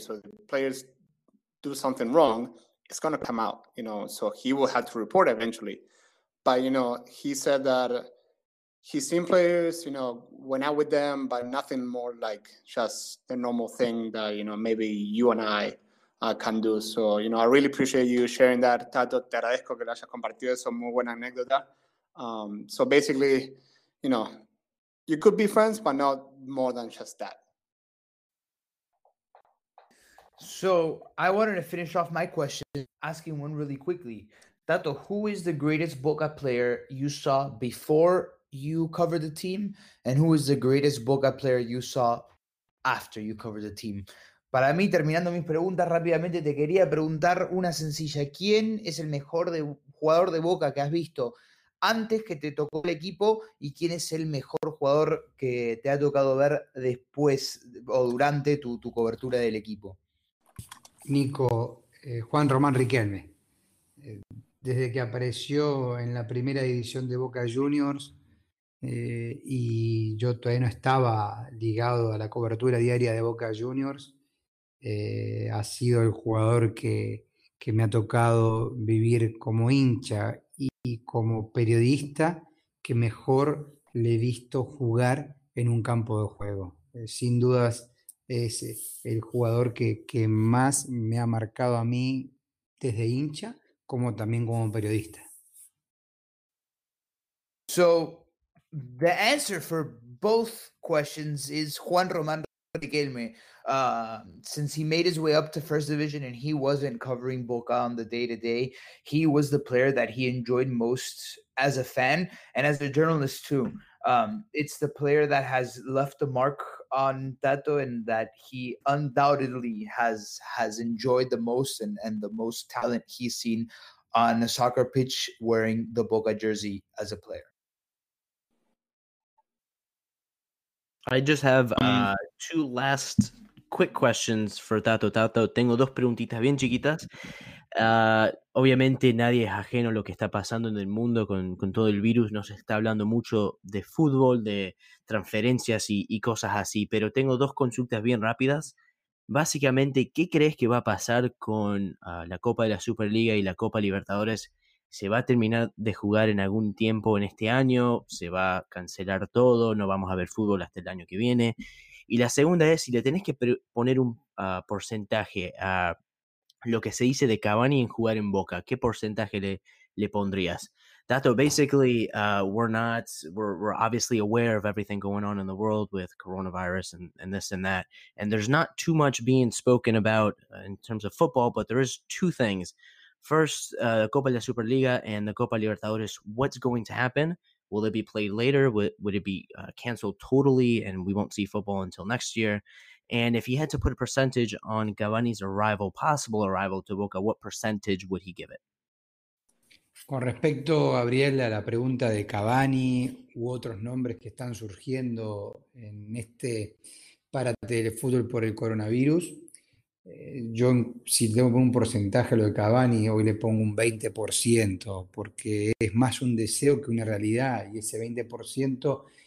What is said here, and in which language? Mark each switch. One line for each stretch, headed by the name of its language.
English: So the players do something wrong, it's going to come out, so he will have to report eventually. But, he said that he's seen players, went out with them, but nothing more like just the normal thing that, maybe you and I can do. So, I really appreciate you sharing that.
Spanish: Tato, te agradezco que lo hayas compartido. Eso es muy buena anécdota.
English: So basically, you could be friends, but not more than just that. So I wanted to finish off my question asking one really quickly. Tato, who is the greatest Boca player you saw before you covered the team? And who is the greatest Boca player you saw after you covered the team?
Spanish: Para mí, terminando mis preguntas rápidamente, te quería preguntar una sencilla. ¿Quién es el mejor jugador de Boca que has visto antes que te tocó el equipo? ¿Y quién es el mejor jugador que te ha tocado ver después o durante tu cobertura del equipo? Nico, Juan Román Riquelme. Desde que apareció en la primera división de Boca Juniors y yo todavía no estaba ligado a la cobertura diaria de Boca Juniors, ha sido el jugador que me ha tocado vivir como hincha y como periodista que mejor le he visto jugar en un campo de juego. Sin dudas es el jugador que más me ha marcado a mí desde hincha como también como periodista.
English: So the answer for both questions is Juan Román Riquelme, since he made his way up to first division and he wasn't covering Boca on the day-to-day, he was the player that he enjoyed most as a fan and as a journalist too. It's the player that has left a mark on Tato and that he undoubtedly has enjoyed the most and the most talent he's seen on a soccer pitch wearing the Boca jersey as a player. I just have two last quick questions for Tato.
Spanish: Tato, tengo dos preguntitas bien chiquitas. Obviamente nadie es ajeno a lo que está pasando en el mundo con todo el virus. No se está hablando mucho de fútbol, de transferencias y cosas así. Pero tengo dos consultas bien rápidas. Básicamente, ¿qué crees que va a pasar con la Copa de la Superliga y la Copa Libertadores? ¿Se va a terminar de jugar en algún tiempo en este año? ¿Se va a cancelar todo? ¿No vamos a ver fútbol hasta el año que viene? Y la segunda es, si le tenés que poner un porcentaje a lo que se dice de Cavani en jugar en Boca, ¿qué porcentaje le pondrías?
English: Tato, basically, we're obviously aware of everything going on in the world with coronavirus and this and that. And there's not too much being spoken about in terms of football, but there is two things. First, the Copa de la Superliga and the Copa Libertadores, what's going to happen? Will it be played later? Would it be canceled totally and we won't see football until next year? And if he had to put a percentage on Cavani's arrival, possible arrival to Boca, what percentage would he give it?
Spanish: Con respecto, Gabriel, a la pregunta de Cavani u otros nombres que están surgiendo en este parate del fútbol por el coronavirus, yo, si tengo que poner un porcentaje a lo de Cavani, hoy le pongo un 20%, porque es más un deseo que una realidad, y ese 20%